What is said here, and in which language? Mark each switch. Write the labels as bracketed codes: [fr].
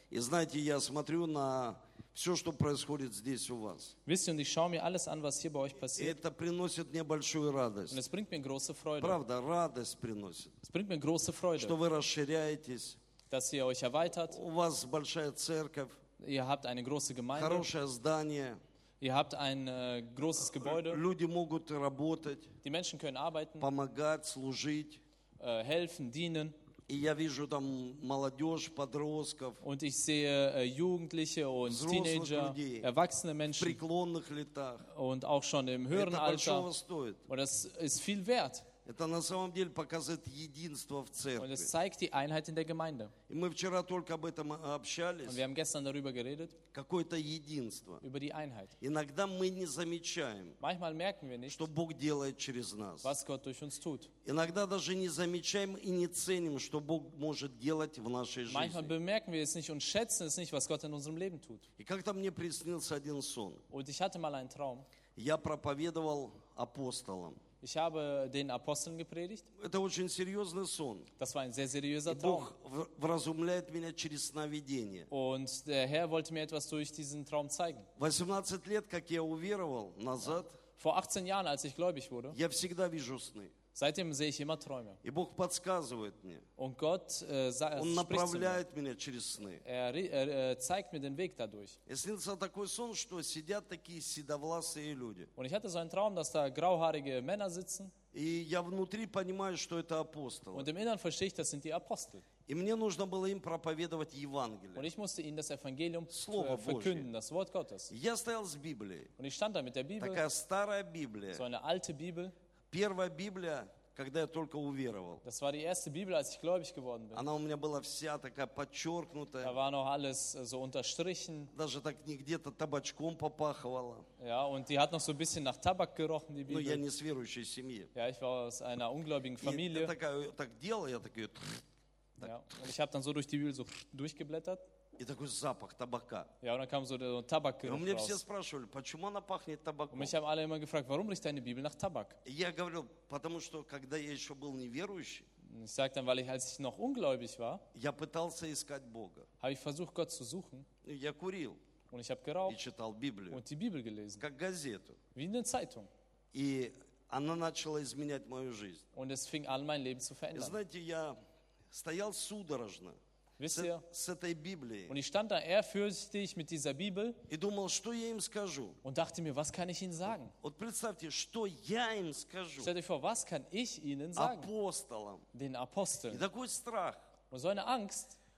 [ru] И знаете, я смотрю на все, что происходит здесь у вас. Это приносит мне большую радость. Правда, радость приносит, что вы расширяетесь. [de] Dass ihr euch erweitert. [ru] У вас большая церковь. [de] Ihr habt eine große Gemeinde. [ru] Хорошее здание. [de] Ihr habt ein großes Gebäude. [ru] Люди могут работать. [de] Die Menschen können arbeiten. [ru] Помогать, служить. [de] Helfen, dienen. [ru] И я вижу там молодежь, подростков. [de] Und ich sehe Jugendliche und Teenager. [ru] Людей, [de] erwachsene Menschen. [ru] В преклонных летах. [de] Und auch schon im höheren [ru] Это [de] Alter. [ru] Это большого стоит. [de] Und das ist viel wert. [ru] Это на самом деле показывает единство в церкви. [de] Und es zeigt die Einheit in der Gemeinde. [ru] И мы вчера только об этом общались. [de] Und wir haben gestern darüber geredet. [ru] Какое-то единство. [de] Über die Einheit. [ru] Иногда мы не замечаем, [de] Manchmal merken wir nicht, [ru] что Бог делает через нас. [de] Was Gott durch uns tut. [ru] Иногда даже не замечаем и не ценим, что Бог может делать в нашей жизни. [de] Manchmal bemerken wir es nicht und schätzen es nicht, was Gott in unserem Leben tut. [ru] И как-то мне приснился один сон. [de] Und ich hatte mal einen Traum. [ru] Я проповедовал апостолам. [de] Ich habe den Aposteln gepredigt. [ru] Это очень серьезный сон. [de] Das war ein sehr seriöser Traum. [ru] Бог вразумляет меня через сновидение. [de] Und der Herr wollte mir etwas durch diesen Traum zeigen. [ru] 18 лет, как я уверовал, назад, [de] Vor 18 Jahren, als ich gläubig wurde, [ru] я всегда вижу сны. [de] Seitdem sehe ich immer Träume. [ru] И Бог подсказывает мне. [de] Und Gott, [ru] Он направляет меня через сны. [de] Zeigt mir den Weg dadurch. [ru] И снился такой сон, что сидят такие седовласые люди. [de] Und ich hatte so einen Traum, dass da grauhaarige Männer sitzen. [ru] И я внутри понимаю, что это апостолы. [de] Und im Inneren verstehe ich, das sind die Apostel. [ru] И мне нужно было им проповедовать Евангелие. [de] Und ich musste ihnen das Evangelium verkünden, das Wort Gottes. [ru] Я стоял с Библией. [de] Und ich stand da mit der Bibel. [ru] Такая старая Библия. [de] So eine alte Bibel. [ru] Первая Библия, когда я только уверовал. [de] Das war die erste Bibel, als ich gläubig geworden bin. [ru] Она у меня была вся такая подчеркнутая. [de] Da war noch alles so unterstrichen. [ru] Даже так не где-то табачком попахивало. [de] Ja, und die hat noch so ein bisschen nach Tabak gerochen, die Bibel. [ru] Но я не с верующей семьи. [de] Ja, ich war aus einer ungläubigen Familie. [ru] И такая, так делал, я такой... [de] Так, ja, und ich habe dann so durch die Bibel so durchgeblättert. [ru] И такой запах табака. [de] Ja, und dann kam so der Tabakgeruch raus. [ru] И у меня все спрашивали, почему она пахнет табаком. [de] Und mich haben alle immer gefragt, warum riecht deine Bibel nach Tabak? [ru] И я говорю, потому что, когда я еще был неверующий, [de] ich sag dann, weil ich, als ich noch ungläubig war, [ru] я пытался искать Бога. [de] Habe ich versucht, Gott zu suchen. [ru] И я курил. [de] Und ich habe geraucht. [ru] И читал Библию. [de] Und die Bibel gelesen. [ru] Как газету. [de] Wie eine Zeitung. [ru] И она начала изменять мою жизнь. [de] Und es fing an, mein Leben zu verändern. [ru] И знаете, я стоял судорожно. [de] Und ich stand da ehrfürchtig mit dieser Bibel und dachte mir, was kann ich ihnen sagen? Stell dir vor, was kann ich ihnen sagen? Den Aposteln. Und so eine Angst.